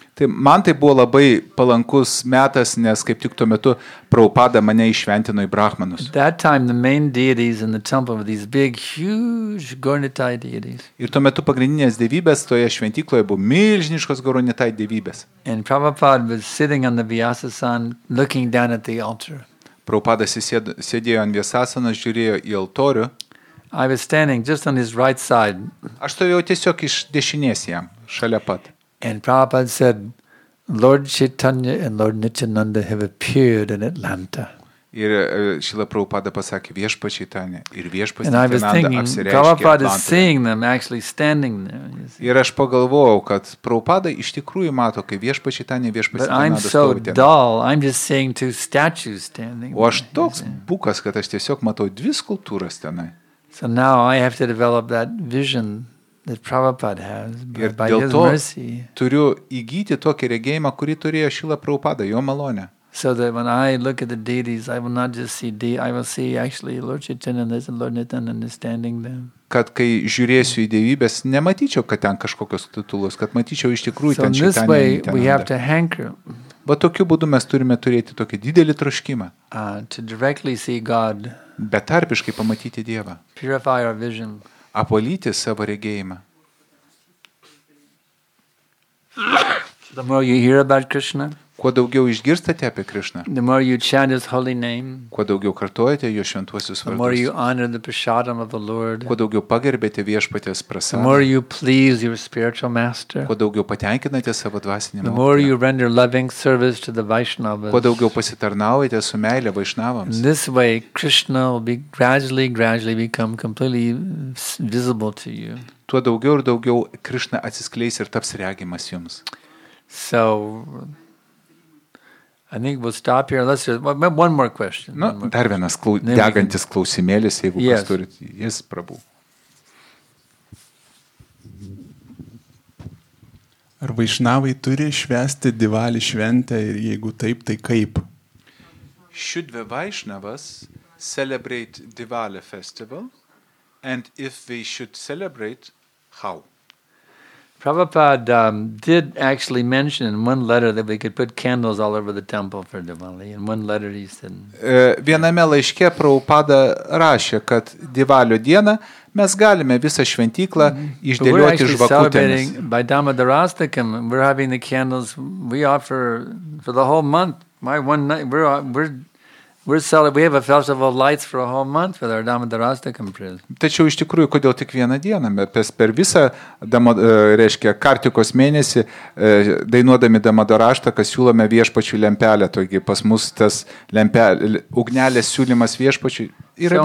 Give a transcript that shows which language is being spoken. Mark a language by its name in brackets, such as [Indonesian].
[Lithuanian] Tai man tai buvo labai palankus metas, nes kaip tik tuo metu Prabhupada mane išventino į brahmanus. [English] That time the main deities in the temple were these big huge Gaura-Nitai deities. [Lithuanian] Ir tuo metu pagrindinės dievybės toje šventykloje buvo milžiniškos Gaura-Nitai dievybės. [English] And Prabhupada was sitting on the Vyasasan looking down at the altar. [Lithuanian] Prabhupada sėdėjo ant Vyasasanos, žiūrėjo į altorių. [English] I was standing just on his right side. [Lithuanian] Aš stovėjau tiesiog iš dešinės jam, šalia pat. [English] And Prabhupada said, Lord Chaitanya and Lord Nityananda have appeared in Atlanta. [Lithuanian] Ir Šila Prabhupada pasakė, viešpats Chaitanya ir viešpats Nityananda apsireiškė Atlantoje. [English] And I was thinking, Prabhupada is seeing them actually standing there. [Lithuanian] Ir aš pagalvojau, kad Prabhupada iš tikrųjų mato, kai viešpats Chaitanya, viešpats Nityananda stovi ten. [English] But I'm so dull, I'm just seeing two statues standing there. [Lithuanian] O aš toks bukas, kad aš tiesiog matau dvi skulptūras tenai. [English] So now I have to develop that vision. That Prabhupada has, by his mercy. [Lithuanian] Turiu įgyti tokį regėjimą, kurį turėjo Šila Prabhupada, jo malonė. [English] So that when I look at the deities, I will not just see I will see actually Lord Chaitanya and Lord Nityananda understanding them. [Lithuanian] Kad kai žiūrėsiu į dievybės, nematyčiau, kad ten kažkokios titulos, kad matyčiau iš tikrųjų ten [English] Chaitanya. So this way we have to hanker. [Lithuanian] Va tokiu būdu mes turime turėti tokį didelį troškimą. [English] To directly see God. [Lithuanian] Betarpiškai pamatyti Dievą. [English] Purify our vision. [Lithuanian] Apvalyti savo regėjimą. [English] The more you hear about Krishna, [Lithuanian] kuo daugiau išgirstate apie Krishna, [English] the more you chant his holy name, [Lithuanian] kuo daugiau kartojate jo šventuosius vardus, [English] the more you honor the prasadam of the Lord, [Lithuanian] kuo daugiau pagerbėte viešpaties prasadą, [English] the more you please your spiritual master, [Lithuanian] kuo daugiau patenkinate savo dvasinį mokytoją, [English] the more you render loving service to the Vaishnavas, [Lithuanian] kuo daugiau pasitarnaujate su meile Vaishnavams. [English] In this way, Krishna will be gradually become completely visible to you. [Lithuanian] Tuo daugiau ir daugiau Krishna atsiskleis ir taps regimas jums. [English] So, I think we'll stop here. Let's just one more question. [Lithuanian] No, dar vienas degantis klausimėlis, jeigu kas turit. [English] Yes, Prabhu. [Lithuanian] Ar Vaishnavai turi švęsti Divali šventę ir jeigu taip, tai kaip? [English] Should the Vaishnavas celebrate Diwali festival? And if we should celebrate, how? Prabhupada did actually mention in one letter that we could put candles all over the temple for Diwali. In one letter he said. [Lithuanian] Viename laiške Prabhupada rašė, kad Divalio dieną mes galime visą šventyklą išdėlioti žvakutėmis. [English] By Damodarastakam, we're having the candles we offer for the whole month. My one night we have a festival of lights for a whole month with our Damodarastakam priest. [Lithuanian] Tačiau iš tikrųjų, kodėl tik vieną dieną? Mes per visą reiškia kartikos mėnesį dainuodami Damodarastaką siūlome viešpačių lempelę. Taigi pas mus tas lempelė, ugnelės siūlymas viešpačių yra